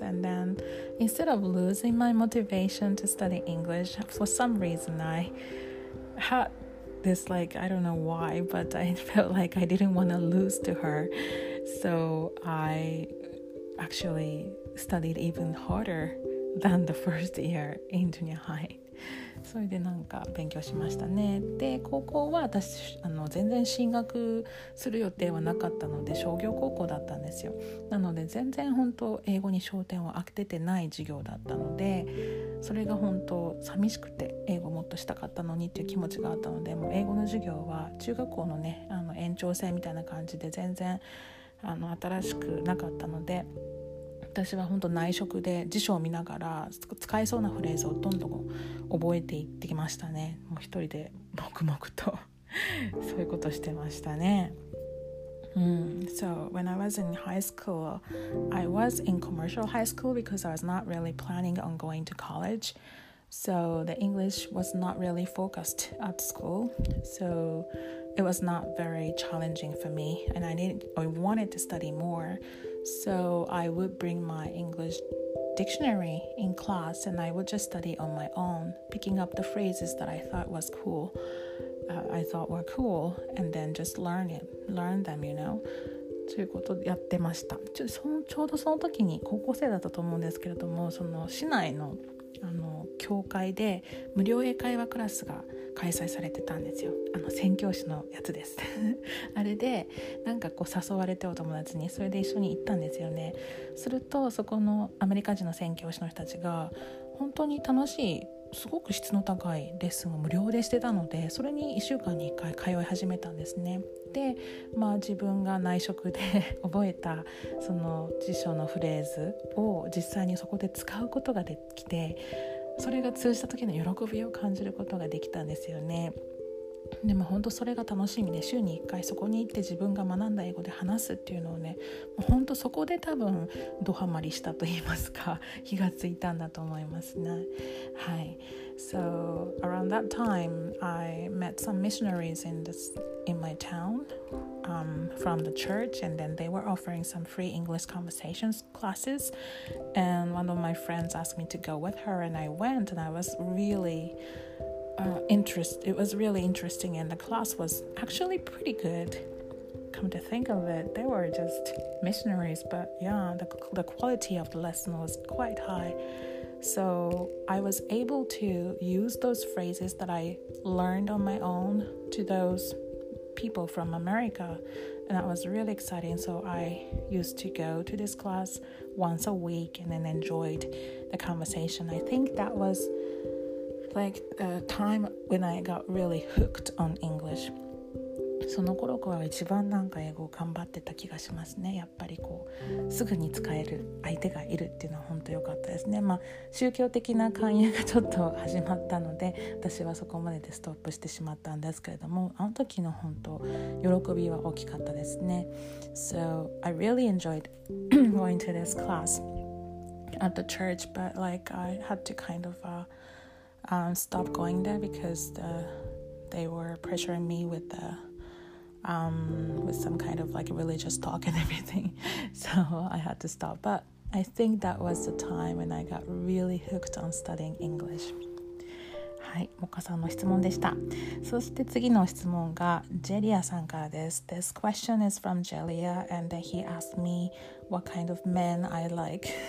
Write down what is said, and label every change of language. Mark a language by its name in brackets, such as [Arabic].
[English] And then instead of losing my motivation to study English, for some reason I had this, like, I don't know why, but I felt like I didn't want to lose to her. So I... actually studied even harder than the first year in junior high. [Japanese] それでなんか勉強しましたね。で高校は私全然進学する予定はなかったので、商業高校だったんですよ。なので全然本当英語に焦点を当ててない授業だったので、それが本当寂しくて、英語もっとしたかったのにっていう気持ちがあったので、もう英語の授業は中学校のね延長線みたいな感じで全然新しくなかったので、私は本当内職で辞書を見ながら使えそうなフレーズをどんどん覚えていってきましたね。もう一人で黙々とそういうことしてましたね。 [English] So when I was in high school, I was in commercial high school because I was not really planning on going to college. So the English was not really focused at school. SoIt was not very challenging for me, and I wanted to study more. So I would bring my English dictionary in class, and I would just study on my own, picking up the phrases that I thought was cool, I thought were cool, and then just learn them, you know. [Japanese] ということをやってました。ちょうどその時に高校生だったと思うんですけれども、その市内の教会で無料英会話クラスが開催されてたんですよ。宣教師のやつですあれでなんかこう誘われて、お友達に、それで一緒に行ったんですよね。するとそこのアメリカ人の宣教師の人たちが本当に楽しい、すごく質の高いレッスンを無料でしてたので、それに1週間に1回通い始めたんですね。で、まあ、自分が内職で覚えたその辞書のフレーズを実際にそこで使うことができて、それが通じた時の喜びを感じることができたんですよね。でも本当それが楽しみで、週に1回そこに行って自分が学んだ英語で話すっていうのをね、もう本当そこで多分ドハマりしたと言いますか、火がついたんだと思いますね。はい。 [English] So around that time, I met some missionaries in my town from the church, and then they were offering some free English conversations classes. And one of my friends asked me to go with her, and I went, and I was really interested. It was really interesting, and the class was actually pretty good. Come to think of it, they were just missionaries, but yeah, the quality of the lesson was quite high. So I was able to use those phrases that I learned on my own to those people from America, and that was really exciting. So I used to go to this class once a week and then enjoyed the conversation. I think that was like a time when I got really hooked on English. [Japanese] その頃から一番なんか英語を頑張ってた気がしますね。やっぱりこうすぐに使える相手がいるっていうのは本当良かったですね。まあ宗教的な勧誘がちょっと始まったので私はそこまででストップしてしまったんですけれども、あの時の本当喜びは大きかったですね。 [English] So I really enjoyed going to this class at the church, but like I had to kind of stop going there because they were pressuring me with theWith some kind of like religious talk and everything. So I had to stop. But I think that was the time when I got really hooked on studying English. [Japanese] はい、モカさんの質問でした。そして次の質問がジェリアさんからです。 [English] This question is from Jelia, and he asked me what kind of men I like.